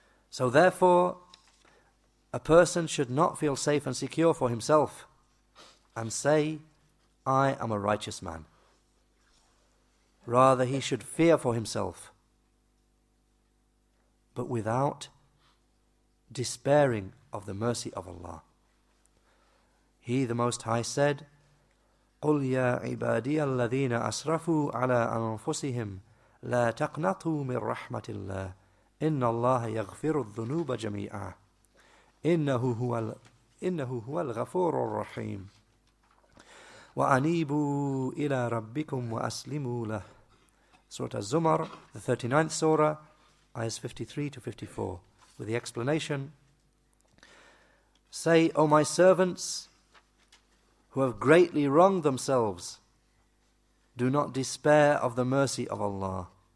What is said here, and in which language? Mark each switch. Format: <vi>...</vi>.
<en>So therefore, a person should not feel safe and secure for himself and say, I am a righteous man. Rather, he should fear for himself, but without despairing of the mercy of Allah. He, the Most High, said,</en> <ar>قُلْ يَا عِبَادِيَ الَّذِينَ أَسْرَفُوا عَلَىٰ أَنفُسِهِمْ لَا تَقْنَطُوا مِنْ رَحْمَةِ اللَّهِ إِنَّ اللَّهَ يَغْفِرُ الذُّنُوبَ جَمِيعًا إِنَّهُ هُوَ الْغَفُورُ الرَّحِيمُ وَأَنِيبُوا إِلَىٰ رَبِّكُمْ وَأَسْلِمُوا لَهُ.</ar> <en>Surah Az-Zumar, the 39th surah, ayahs 53 to 54, with the explanation, say, O my servants, who have greatly wronged themselves, do not despair of the mercy of Allah.</en>